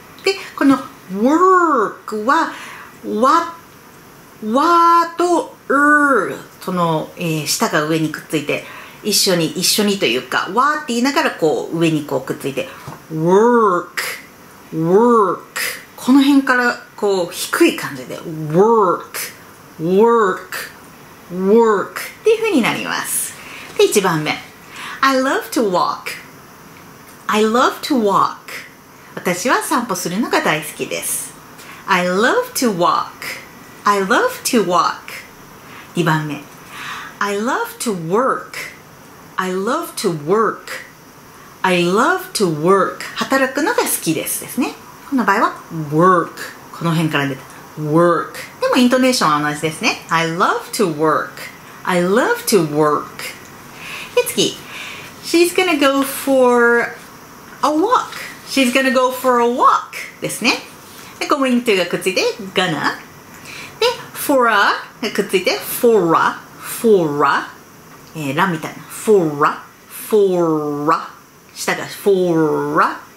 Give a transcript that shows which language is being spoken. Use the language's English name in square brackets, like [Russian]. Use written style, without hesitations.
[Japanese] で、この work は wa と r、その、舌が上にくっついて一緒に一緒にというか wa って言いながらこう上にこうくっついて work、work、 この辺からこう低い感じで work、work、work っていう風になります。 [English] で、1番目 I love to walk、 I love to walk、 [Japanese] 私は散歩するのが大好きです。 [English] I love to walk、 I love to walk。 2番目 I love to work、 I love to work、 I love to work、 [Japanese] 働くのが好きですですね。この場合は work、 この辺から出て work、でもイントネーションは同じですね。 [English] I love to work、 I love to work。で、次 She's gonna go for a walk、 She's gonna go for a walk [Japanese] ですね。で、going to がくっついて gonna、 で、 for a がくっついて for a、 for a、 ラみたいな for a、 for a、 下が for a。